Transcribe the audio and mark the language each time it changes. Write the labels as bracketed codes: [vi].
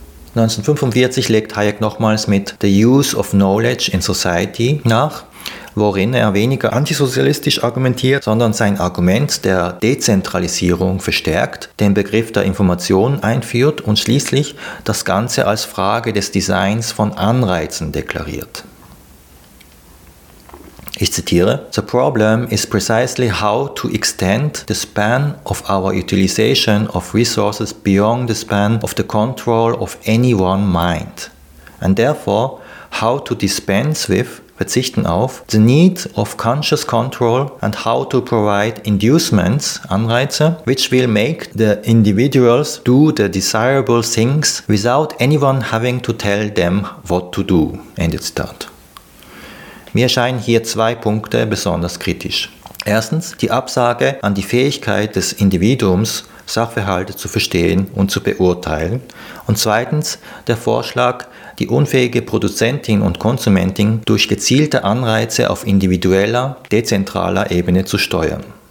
[de] 1945 legt Hayek nochmals mit The Use of Knowledge in Society nach, worin er weniger antisozialistisch argumentiert, sondern sein Argument der Dezentralisierung verstärkt, den Begriff der Information einführt und schließlich das Ganze als Frage des Designs von Anreizen deklariert. Ich zitiere: [en] "The problem is precisely how to extend the span of our utilization of resources beyond the span of the control of any one mind. And therefore, how to dispense with, [de] verzichten auf, [en] the need of conscious control and how to provide inducements, [de] Anreize, [en] which will make the individuals do the desirable things without anyone having to tell them what to do." [de] Ende Zitat. Mir erscheinen hier 2 Punkte besonders kritisch. Erstens die Absage an die Fähigkeit des Individuums, Sachverhalte zu verstehen und zu beurteilen. Und zweitens der Vorschlag, die unfähige Produzentin und Konsumentin durch gezielte Anreize auf individueller, dezentraler Ebene zu steuern.